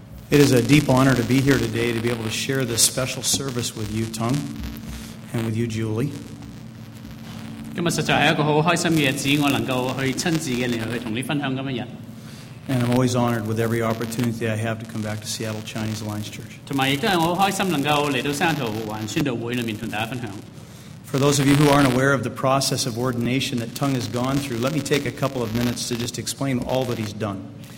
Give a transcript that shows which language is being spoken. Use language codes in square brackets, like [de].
[en] It is a deep honor to be here today to be able to share this special service with you, Tung, and with you, Julie. [zh] 今天实在是一个很开心的日子，我能够去亲自的来去同你分享今日。 [en] And I'm always honored with every opportunity I have to come back to Seattle Chinese Alliance Church. For those of you who aren't aware of the process of ordination that Tung has gone through, let me take a couple of minutes to just explain all that he's done.